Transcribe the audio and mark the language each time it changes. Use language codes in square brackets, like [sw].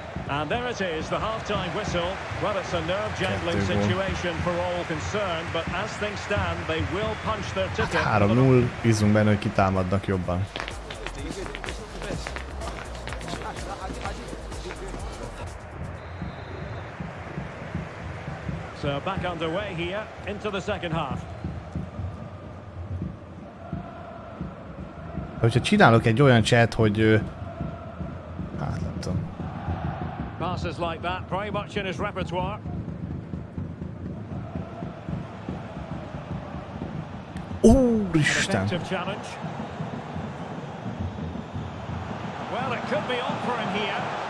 [en] And there it is, the half-time whistle. Well, it's a nerve-jangling situation for all concerned, but as things stand, they will punch their ticket. [hu] 3-0, bízunk benne, hogy kitámadnak jobban. [en] So back underway here into the second half. [hu] Hogyha csinálok egy olyan chat, hogy [en] passes like that, pretty much in his repertoire. [hu] Úristen! [en] Well, it could be on for him here.